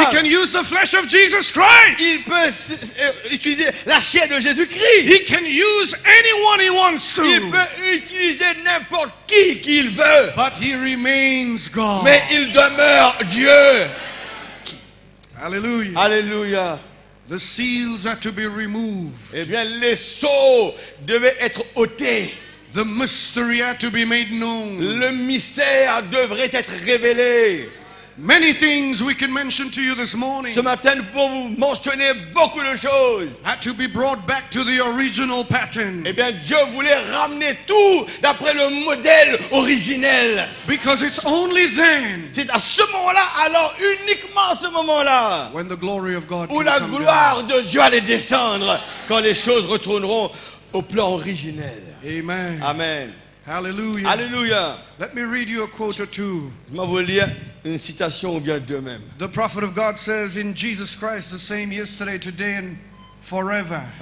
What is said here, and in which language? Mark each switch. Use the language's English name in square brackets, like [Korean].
[English] He can use the flesh of Jesus Christ. [French] Il peut utiliser la chair de Jésus-Christ. [English] He can use anyone he wants to. [French] Il peut utiliser n'importe qui qu'il veut. [English] But he remains God. [French] Mais il demeure Dieu. [English] Hallelujah. [French] Hallelujah. [English] The seals are to be removed. [French] Eh bien, les sceaux devaient être ôtés. [English] The mystery are to be made known. [French] Le mystère devrait être révélé. [English] Many things we can mention to you this morning. [French] Ce matin, faut vous mentionner beaucoup de choses. [English] Had to be brought back to the original pattern. [French] Eh bien, Dieu voulait ramener tout d'après le modèle originel. [English] Because it's only then. [French] C'est à ce moment-là, alors uniquement à ce moment-là. [English] When the glory of God. [French] Où la gloire de Dieu allait descendre quand les choses retourneront au plan originel. [English] Amen. [French] Amen. [English] Hallelujah. [French] Hallelujah. [English] Let me read you a quote or two. [French] Je vais vous lire une citation ou bien deux même. [English] The prophet of God says in Jesus Christ the same yesterday, today and forever.